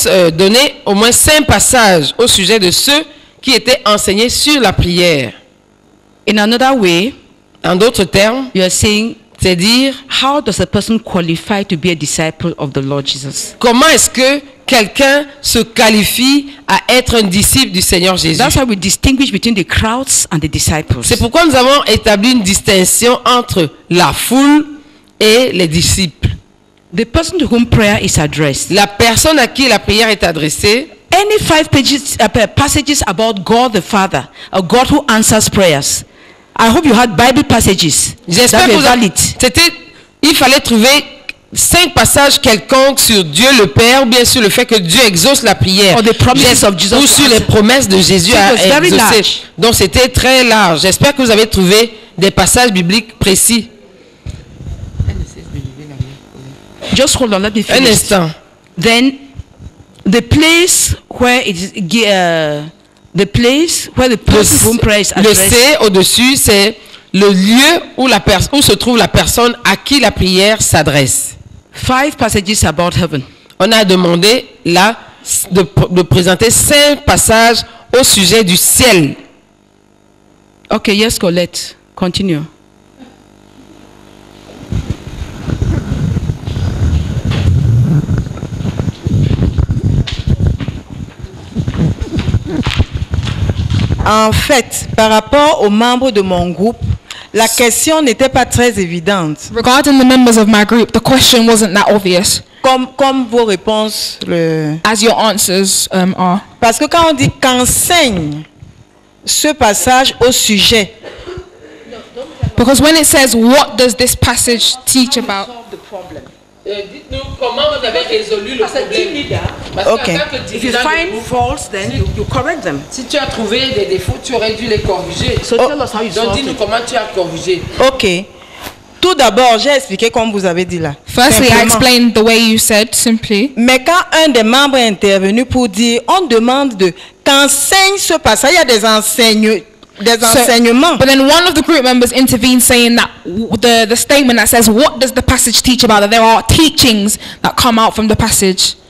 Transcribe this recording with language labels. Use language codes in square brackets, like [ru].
[fr] Donner au moins 5 passages au sujet de ceux qui étaient enseignés sur la prière. [en] In another way, [fr] en d'autres termes, [en] you are saying, [fr] c'est dire, [en] how does a person qualify to be a disciple of the Lord Jesus? [fr] Comment est-ce que quelqu'un se qualifie à être un disciple du Seigneur Jésus? [en] That's how we distinguish between the crowds and the disciples. [fr] C'est pourquoi nous avons établi une distinction entre la foule et les disciples. [en] The person to whom prayer is addressed. [fr] La personne à qui la prière est adressée. [en] Any 5 pages passages about God the Father, a God who answers prayers. I hope you had Bible passages. [fr] J'espère que vous avez. C'était, il fallait trouver 5 passages quelconques sur Dieu le Père, ou bien sur le fait que Dieu exauce la prière, ou sur les promesses de Jésus à exaucer. Donc c'était très large. J'espère que vous avez trouvé des passages bibliques précis. [en] Just hold on, let me finish. [fr] Un instant. [en] Then, the place where it is. The place where the person whom prayer is addressed. [fr] Le C au-dessus, c'est le lieu où la où se trouve la personne à qui la prière s'adresse. [en] 5 passages about heaven. [fr] On a demandé là de présenter 5 passages au sujet du ciel. [en] Okay, yes, Colette, continue. [fr] En fait, par rapport aux membres de mon groupe, la question n'était pas très évidente. [en] Regarding the members of my group, the question wasn't that obvious. [fr] Comme vos réponses le. [en] As your answers are. [fr] Parce que quand on dit qu'enseigne ce passage au sujet. [en] Because when it says what does this passage teach about? [fr] Dites-nous comment vous avez résolu le problème. [en] Okay. If you find faults, then you correct them. [fr] Si tu as trouvé des défauts, tu aurais dû les corriger. [en] So tell us how you solved it. [fr] Dites-nous comment tu as corrigé. [en] Okay. [fr] Tout d'abord, j'ai expliqué comme vous avez dit là. [en] Firstly, I explained the way you said simply. [fr] Mais quand un des membres est intervenu pour dire, on demande de qu'enseigne ce passage. Il y a des enseignants. [en] But then one of the group members intervened saying that the statement that says what does the passage teach about, that there are teachings that come out from the passage.